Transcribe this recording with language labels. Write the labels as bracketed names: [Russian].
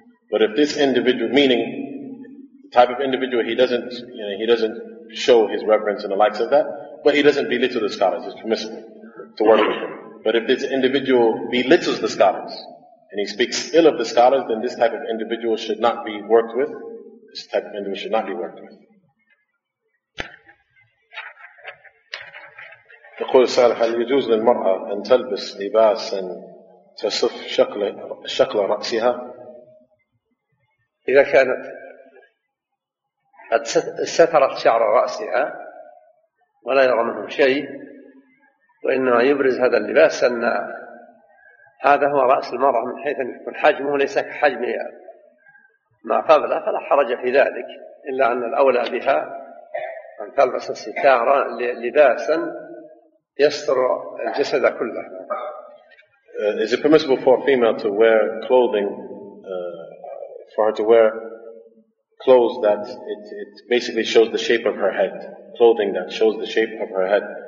[English] But if this individual, meaning the type of individual, he doesn't show his reverence and the likes of that, but he doesn't belittle the scholars, it's permissible to work with him. But if this individual belittles the scholars and he speaks ill of the scholars, then this type of individual should not be worked with. This type of individual should not be worked with. [Arabic] يقول السائل: هل يجوز للمرأة أن تلبس لباسا تصف شكل رأسها؟ إذا كانت قد سترت شعر رأسها ولا يرى منه شيء وإنما يبرز هذا اللباس أن هذا هو رأس المرأة من حيث أن يكون حجمه ليس كحجم ما قبله فلا حرج في ذلك، إلا أن الأولى بها أن تلبس الستارة لباسا يستر الجسد كله. [English] Is it permissible for a female to wear clothing, for her to wear clothes that it basically shows the shape of her head, clothing that shows the shape of her head?